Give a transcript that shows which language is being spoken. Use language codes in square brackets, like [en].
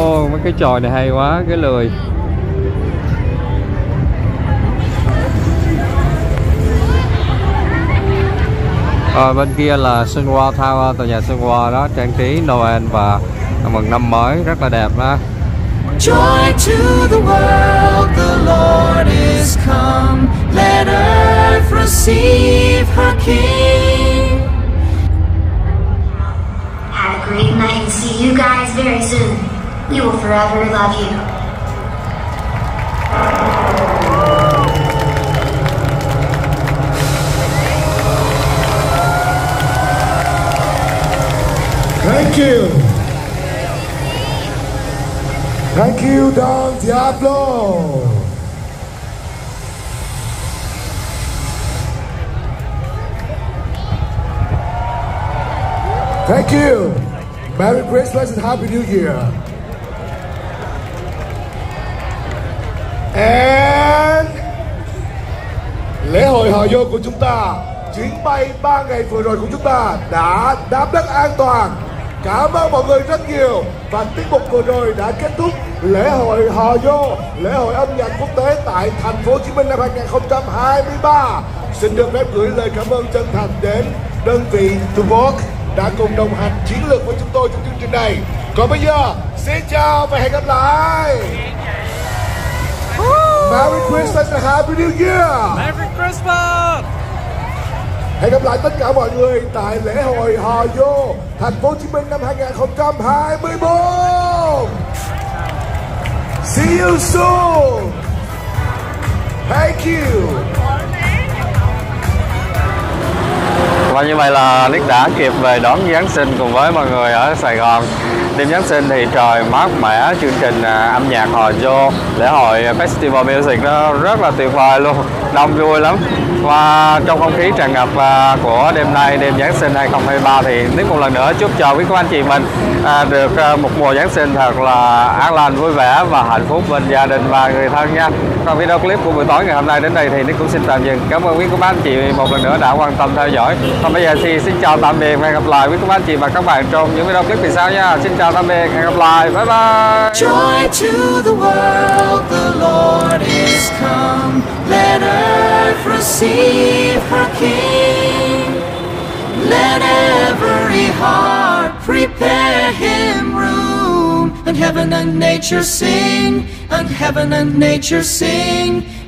[vi] Mấy cái chòi này hay quá, cái lười. Rồi bên kia là Sunwa Tower, tòa nhà Sunwa đó, trang trí Noel và mừng năm mới rất là đẹp đó. [en] Joy to the world, the Lord is come. Let earth receive her King. Have a great night and see you guys very soon. We will forever love you. Thank you. Thank you, Don Diablo! Thank you. Merry Christmas and Happy New Year. [vi] And lễ hội hò vô của chúng ta, chuyến bay 3 ngày vừa rồi của chúng ta đã đáp đất an toàn. Cảm ơn mọi người rất nhiều. Và tiết mục vừa rồi đã kết thúc lễ hội hò vô, lễ hội âm nhạc quốc tế tại thành phố Hồ Chí Minh năm 2023. Xin được phép gửi lời cảm ơn chân thành đến đơn vị The Work đã cùng đồng hành chiến lược với chúng tôi trong chương trình này. Còn bây giờ, xin chào và hẹn gặp lại. [en] Merry Christmas and Happy New Year. Merry Christmas. [vi] Hẹn gặp lại tất cả mọi người tại lễ hội Hò Vô thành phố Hồ Chí Minh năm 2024. [en] See you soon. Thank you. [vi] Và như vậy là Nick đã kịp về đón Giáng sinh cùng với mọi người ở Sài Gòn. Đêm Giáng sinh thì trời mát mẻ, chương trình âm nhạc Hò Vô, lễ hội Festival Music nó rất là tuyệt vời luôn, đông vui lắm. Và trong không khí tràn ngập của đêm nay, đêm Giáng sinh 2023 thì Nick một lần nữa chúc cho quý cô anh chị mình được một mùa Giáng sinh thật là an lành, vui vẻ và hạnh phúc bên gia đình và người thân nha. Còn video clip của buổi tối ngày hôm nay đến đây thì Nick cũng xin tạm dừng. Cảm ơn quý cô anh chị một lần nữa đã quan tâm theo dõi. Còn bây giờ thì xin chào tạm biệt và hẹn gặp lại quý cô anh chị và các bạn trong những video clip về sau nha. Xin chào tạm biệt, hẹn gặp lại, bye bye. [en] Joy to the world, the Lord is come. Let earth receive her King. Let every heart prepare Him room. And heaven and nature sing, and heaven and nature sing.